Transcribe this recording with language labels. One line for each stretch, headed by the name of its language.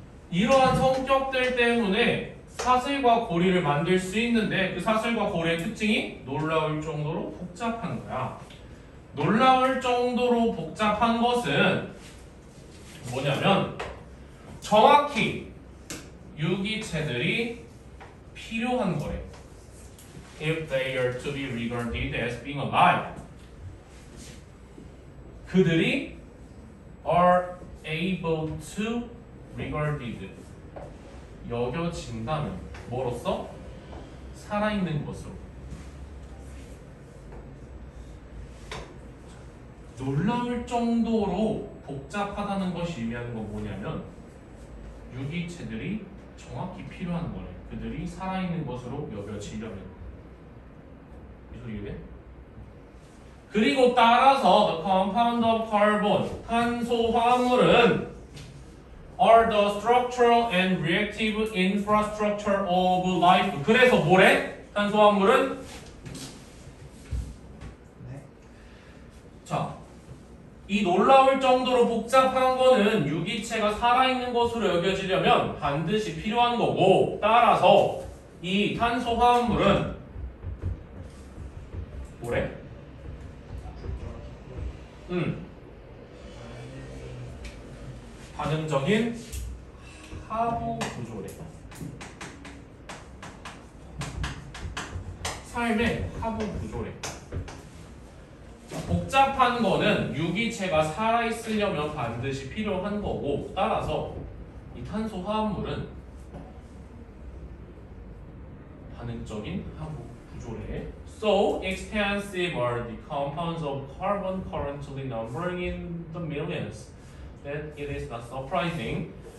Korean: 이러한 성격들 때문에 사슬과 고리를 만들 수 있는데 그 사슬과 고리의 특징이 놀라울 정도로 복잡한 거야. 놀라울 정도로 복잡한 것은 뭐냐면 정확히 유기체들이 필요한 거래.
English: If they are to be regarded as being alive.
Korean: 그들이
English: are able to regarded.
Korean: 여겨진다면 뭐로써? 살아있는 것으로. 놀라울 정도로 복잡하다는 것이 의미하는 건 뭐냐면 유기체들이 정확히 필요한 거래. 그들이 살아있는 것으로 여겨지려면. 이 소리 이해? 그리고 따라서
English: the compound of carbon
Korean: 탄소 화합물은
English: are the structural and reactive infrastructure of life.
Korean: 그래서 뭐래? 탄소 화합물은? 자, 이 놀라울 정도로 복잡한 거는 유기체가 살아있는 것으로 여겨지려면 반드시 필요한 거고 따라서 이 탄소 화합물은 반응적인 하부 구조래. 삶의 하부 구조래. 복잡한 거는 유기체가 살아있으려면 반드시 필요한 거고, 따라서 이 탄소 화합물은 반응적인 하부 구조래.
English: So expensive are the compounds of carbon currently numbering in the millions that it is not surprising.